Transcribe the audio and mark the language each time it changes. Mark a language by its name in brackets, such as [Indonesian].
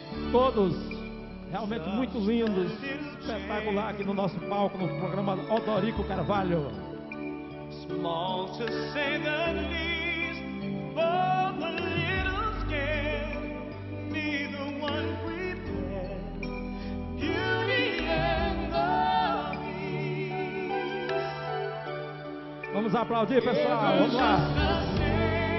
[Portuguese] Todos realmente muito lindos, espetacular aqui no nosso palco, no programa Odorico Carvalho. [English] Small to say the least, both a little scared, neither one prepared, beauty and the... [Portuguese] Vamos aplaudir, pessoal. Vamos lá.